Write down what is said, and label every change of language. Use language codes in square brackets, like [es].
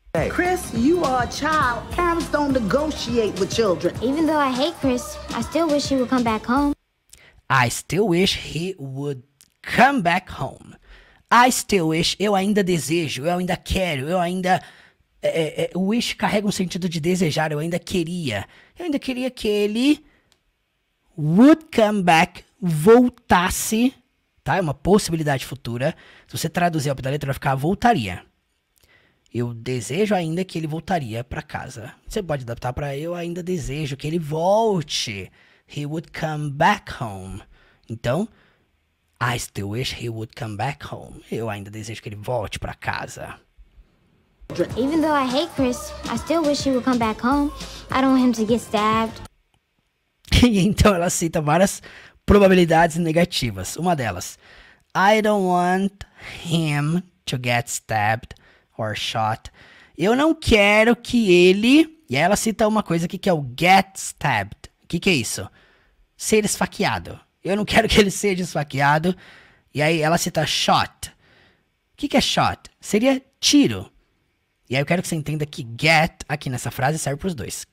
[en] Hey. Chris, you are a child. Parents don't negotiate with children. Even though I hate Chris, I still wish he would come back home. I still wish he would come back home. I still wish, [pt] eu ainda desejo, eu ainda quero, eu ainda... wish carrega um sentido de desejar, eu ainda queria. Eu ainda queria que ele [en] would come back, [pt] voltasse... Tá? É uma possibilidade futura. Se você traduzir ao pé da letra, vai ficar voltaria. Eu desejo ainda que ele voltaria pra casa. Você pode adaptar pra eu ainda desejo que ele volte. [en] He would come back home. [pt] Então, [en] I still wish he would come back home. [pt] Eu ainda desejo que ele volte pra casa. [en] Even though I hate Chris, I still wish he would come back home. I don't want him to get stabbed. [pt] Então ela cita várias... probabilidades negativas. Uma delas. [en] I don't want him to get stabbed or shot. [pt] Eu não quero que ele... E aí ela cita uma coisa aqui que é o get stabbed. O que, que é isso? Ser esfaqueado. Eu não quero que ele seja esfaqueado. E aí ela cita shot. O que, que é shot? Seria tiro. E aí eu quero que você entenda que get aqui nessa frase serve para os dois.